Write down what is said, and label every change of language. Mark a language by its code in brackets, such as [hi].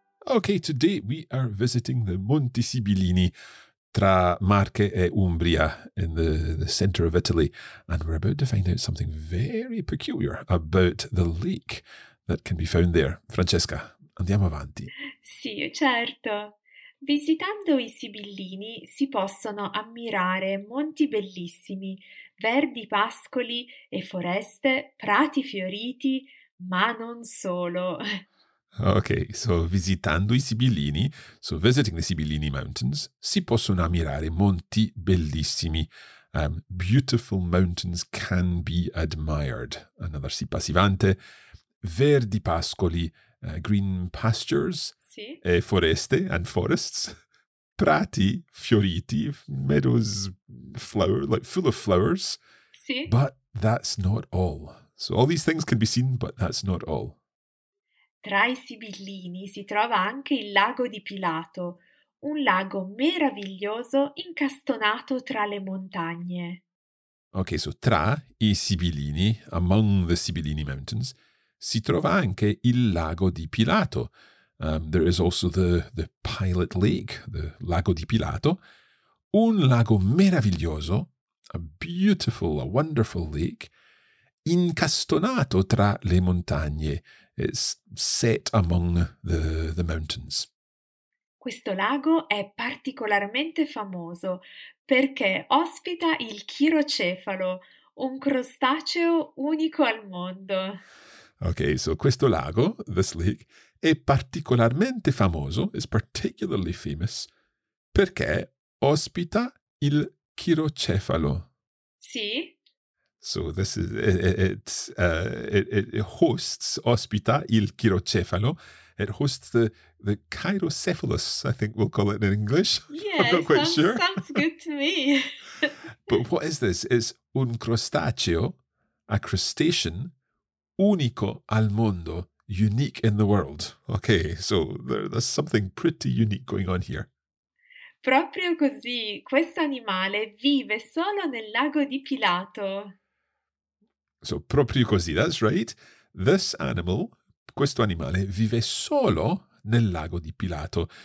[en] Okay, today we are visiting the Monti Sibillini [it] tra Marche e Umbria [en] in the center of Italy. And we're about to find out something very peculiar about the lake that can be found there. [it] Francesca, andiamo avanti. Sì, certo. Visitando i Sibillini si possono ammirare monti bellissimi, verdi pascoli e foreste, prati fioriti, ma non solo. [en] Okay, so [it] visitando i Sibillini, [en] so visiting the Sibillini Mountains, [it] si possono ammirare monti bellissimi. [en] Beautiful mountains can be admired. Another si passivante. [it] Verdi pascoli, [en] green pastures, [it] sì. E foreste [en] and forests. [it] Prati fioriti, [en] meadows flower, like full of flowers. [it] Sì. [en] But that's not all. So all these things can be seen, but that's not all. [it] Tra i Sibillini si trova anche il lago di Pilato, un lago meraviglioso incastonato tra le montagne. [en] Ok, so [it] tra i Sibillini, [en] among the Sibillini Mountains, [it] si trova anche il lago di Pilato. [en] There is also the Pilate Lake, the lago di Pilato, [it] un lago meraviglioso, [en] a wonderful lake, [it] incastonato tra le montagne. [en] It's set among the mountains. [it] Questo lago è particolarmente famoso perché ospita il chirocefalo, un crostaceo unico al mondo. [en] Okay, so [it] questo lago, [en] this lake, [it] è particolarmente famoso, [en] is particularly famous, [it] perché ospita il chirocefalo. Sì. [en] So this is [it] ospita il chirocefalo. [en] It hosts the chirocephalus, I think we'll call it in English. Yeah, I'm not quite sure. Sounds good to me. But what is this? It's [it] un crostaceo, [en] a crustacean, [it] unico al mondo, [en] unique in the world. Okay, so there's something pretty unique going on here. [it] Proprio così, questo animale vive solo nel lago di Pilato. [en] So, [it] proprio così, [en] that's right. This animal, [it] questo animale, vive solo nel lago di Pilato.